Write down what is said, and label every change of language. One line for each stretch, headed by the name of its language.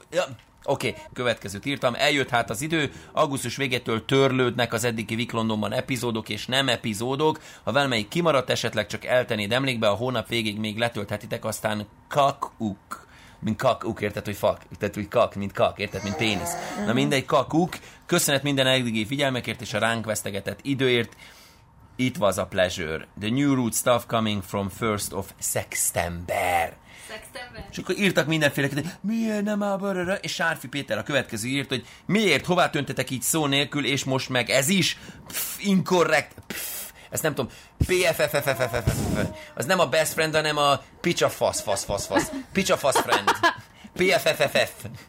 Hungarian: Ja, oké, következőt írtam. Eljött hát az idő. Augusztus végétől törlődnek az eddigi Viklondonban epizódok és nem epizódok. Ha valamelyik kimaradt, esetleg csak eltennéd emlékbe, a hónap végig még letölthetitek, aztán kakuk. Mint kakuk, érted, hogy fak, érted, hogy kak, mint kak, érted, mint pénisz. Na mindegy, kakuk. Köszönet minden eddigi figyelmekért és a ránk vesztegetett időért.
English: It was a pleasure. The new root stuff coming from 1st of September. September.
Hungarian: És akkor írtak mindenféle, hogy miért nem áll, és Sárfi Péter a következő írt, hogy miért, hová töntetek így szó nélkül, és most meg ez is pff, incorrect. Pff, ezt nem tudom. PFFFFFFFF. Az nem a best friend, hanem a picsa fasz, fasz, fasz, fasz. Picsa fasz friend. PFFFF.